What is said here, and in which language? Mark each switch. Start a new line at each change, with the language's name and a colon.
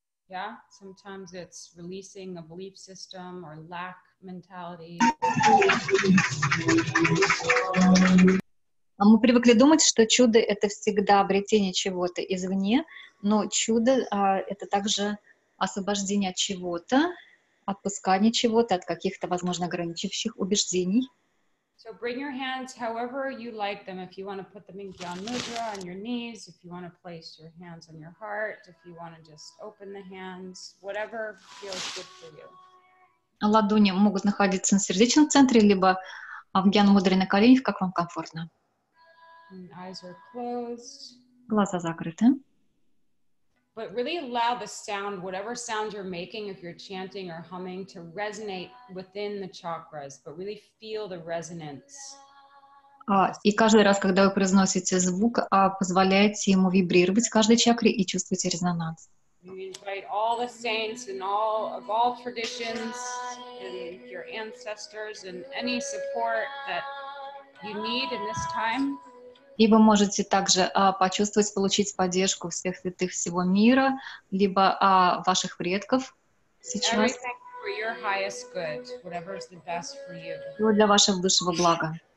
English: Yeah, sometimes it's releasing a belief system or lack mentality.
Russian: Мы привыкли думать, что чудо — это всегда обретение чего-то извне, но чудо — это также освобождение от чего-то, отпускание чего-то, от каких-то, возможно, ограничивающих убеждений.
English: So bring your hands however you like them. If you want to put them in Gyan Mudra on your knees, if you want to place your hands on your heart, if you want to just open the hands, whatever feels good for you.
Russian: Ладони могут находиться на сердечном центре, либо в Гьян Мудре на коленях, как вам комфортно.
English: And eyes are closed.
Russian: Глаза закрыты.
English: But really allow the sound, whatever sound you're making, if you're chanting or humming, to resonate within the chakras, but really feel the resonance.
Russian: И каждый раз, когда вы произносите звук, позволяйте ему вибрировать каждой чакре и чувствуйте резонанс.
English: You invite all the saints and all of all traditions and your ancestors and any support that you need in this time.
Russian: И вы можете также почувствовать, получить поддержку всех святых всего мира, либо ваших предков сейчас. Все для вашего высшего блага.